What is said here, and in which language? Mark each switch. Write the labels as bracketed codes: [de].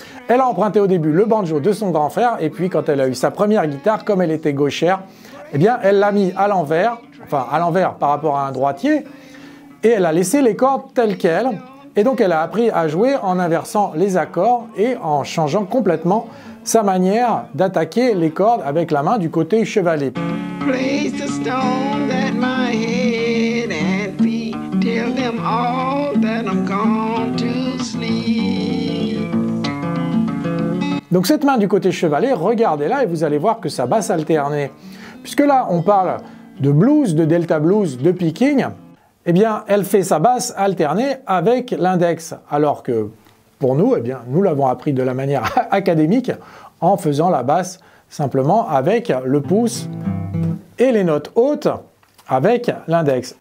[fr] Elle a emprunté au début le banjo de son grand frère et puis quand elle a eu sa première guitare, comme elle était gauchère, eh bien elle l'a mis à l'envers, enfin à l'envers par rapport à un droitier, et elle a laissé les cordes telles quelles. Et donc elle a appris à jouer en inversant les accords et en changeant complètement sa manière d'attaquer les cordes avec la main du côté chevalet. [en] Place the stones at my head and feet, tell them all that I'm gone to sleep. [fr] Donc cette main du côté chevalet, regardez-la et vous allez voir que ça basse alternée. Puisque là, on parle de blues, de delta blues, de picking, eh bien, elle fait sa basse alternée avec l'index, alors que pour nous, eh bien, nous l'avons appris de la manière académique en faisant la basse simplement avec le pouce et les notes hautes avec l'index.